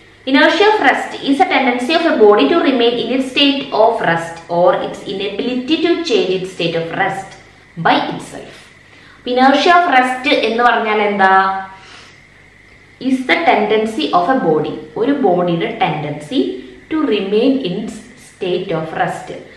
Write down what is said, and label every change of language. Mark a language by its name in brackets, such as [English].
[English] Inertia of rest is a tendency of a body to remain in its state of rest or its inability to change its state of rest by itself. [Malayalam] Inertia of rest എന്ന് പറഞ്ഞാൽ എന്താ? [English] Is the tendency of a body, [Malayalam] ഒരു ബോഡിയുടെ [English] tendency to remain in its state of rest.